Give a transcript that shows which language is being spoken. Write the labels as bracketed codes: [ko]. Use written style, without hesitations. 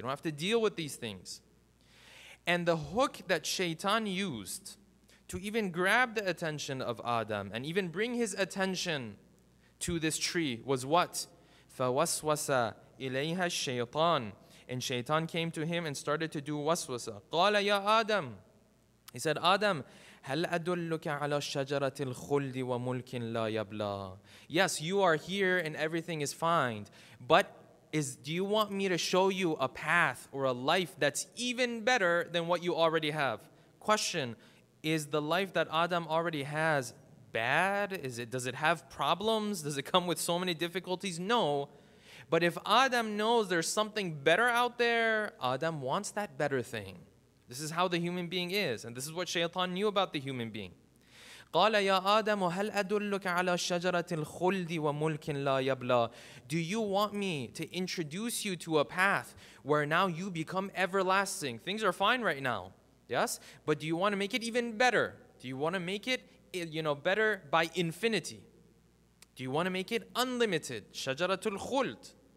[en] You don't have to deal with these things. And the hook that Shaytan used to even grab the attention of Adam and even bring his attention to this tree was what? [ar] فَوَسْوَسَ إِلَيْهَا الشَّيْطَانِ. [en] And Shaytan came to him and started to do waswasa. [ar] قَالَ يَا Adam. [en] He said, [ar] Adam, هَلْ أَدُلُّكَ عَلَى شَجَرَةِ الْخُلْدِ وَمُلْكٍ لَا يَبْلَى. [en] Yes, you are here and everything is fine, but do you want me to show you a path or a life that's even better than what you already have? Question. Is the life that Adam already has bad? Does it have problems? Does it come with so many difficulties? No. But if Adam knows there's something better out there, Adam wants that better thing. This is how the human being is. And this is what Shaytan knew about the human being. [ar] قال يا آدم هل أدلك على شجرة الخلد وملك لا يبلى. [en] Do you want me to introduce you to a path where now you become everlasting? Things are fine right now, yes? But do you want to make it even better? Do you want to make it, you know, better by infinity? Do you want to make it unlimited? [ar] شجرة الخلد.